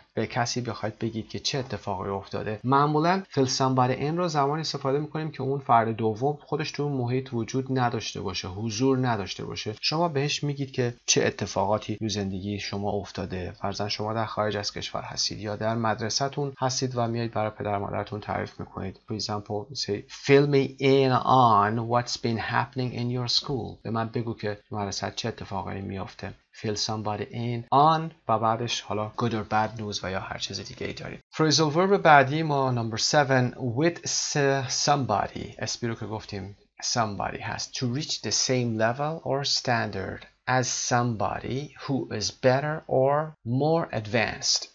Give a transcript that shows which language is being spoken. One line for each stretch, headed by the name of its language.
Persian: به کسی بخواید بگید که چه اتفاقی افتاده. معمولا فلسان برای این رو زمانی استفاده میکنیم که اون فرد دوم خودش تو محیط وجود نداشته باشه، حضور نداشته باشه. شما بهش میگید که چه اتفاقاتی تو زندگی شما افتاده. فرضاً شما در خارج از کشور هستید یا در مدرسه‌تون هستید و میایید برای پدر مادرتون تعریف میکنید.
English: For example, say, fill me in on what's been happening in your school.
Persian: به من بگو که مدرسه‌ت چه اتفاقی میافته.
English: Fill somebody in on
Persian: و بعدش حالا
English: good or bad news
Persian: و یا هر چیز دیگه ای دارید.
English: Phrasal verb بعدی ما number 7 with somebody.
Persian: اسمی رو که گفتیم somebody هست.
English: To reach the same level or standard as somebody who is better or more advanced.